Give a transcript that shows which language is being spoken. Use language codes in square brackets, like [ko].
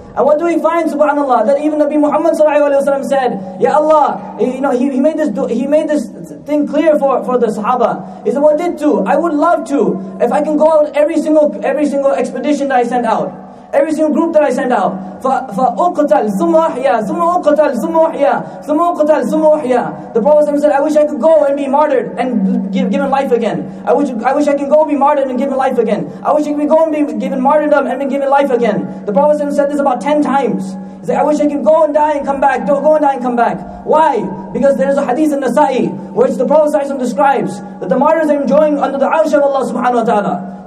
[en] And what do we find, subhanAllah, that even Nabi Muhammad Sallallahu Alaihi Wasallam said, Ya Allah, you know, he made this thing clear for the Sahaba. He said, what did to? I would love to, if I can go out every single expedition that I sent out. Every single group that I send out. [ar] فَأُقْتَلْ ثُمَّ أُحْيَا ثُمَّ أُقْتَلْ ثُمَّ أُحْيَا ثُمَّ أُقْتَلْ ثُمَّ أُحْيَا. [en] The Prophet said, I wish I could go and be martyred and given life again. I wish I can go and be martyred and given life again. I wish I could go and be given martyrdom and be given life again. The Prophet said this about 10 times. He said, I wish I could go and die and come back. Don't go and die and come back. Why? Because there is a hadith in Nasa'i, which the Prophet describes, that the martyrs are enjoying under the arsh of Allah subhanahu wa ta'ala.